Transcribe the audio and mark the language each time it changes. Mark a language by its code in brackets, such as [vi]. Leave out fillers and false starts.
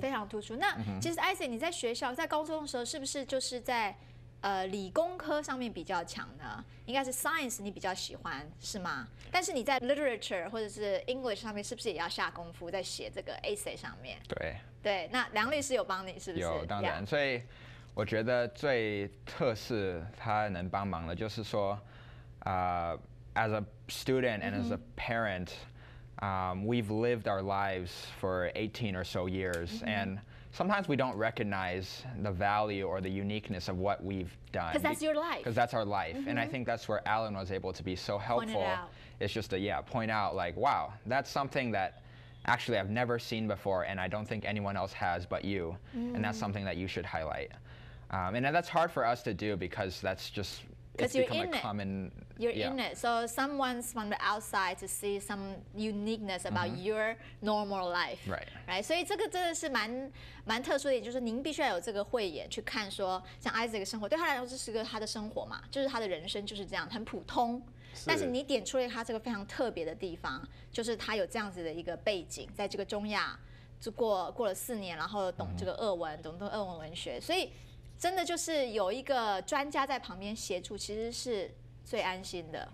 [zh] 非常突出。那其实 Isaac 你在学校在高中的时候是不是就是在理工科上面比较强呢？应该是 science 你比较喜欢是吗？但是你在 literature 或者是 English 上面是不是也要下功夫在写这个 essay 上面？对对，那梁律师有帮你是不是？有，当然， yeah. 所以。我觉得最特色他能帮忙的就是说 [en] as a student and as a parent, we've lived our lives for 18 or so years, and sometimes we don't recognize the value or the uniqueness of what we've done. Because that's your life. Because that's our life. And I think that's where Alan was able to be so helpful. It's just to, point out like, wow, that's something that,Actually, I've never seen before, and I don't think anyone else has but you. And that's something that you should highlight. And that's hard for us to do because that's just, it's you're become in a common... You're in it. So someone's from the outside to see some uniqueness about your normal life. Right. [zh] 所以这个真的是蛮特殊的，就是您必须要有这个慧眼去看说像 Isaac 的生活，对他来说这是个他的生活嘛，就是他的人生就是这样，很普通。但是你点出了他这个非常特别的地方，就是他有这样子的一个背景，在这个中亚就过了4年，然后懂这个俄文，懂俄文文学，所以真的就是有一个专家在旁边协助，其实是最安心的。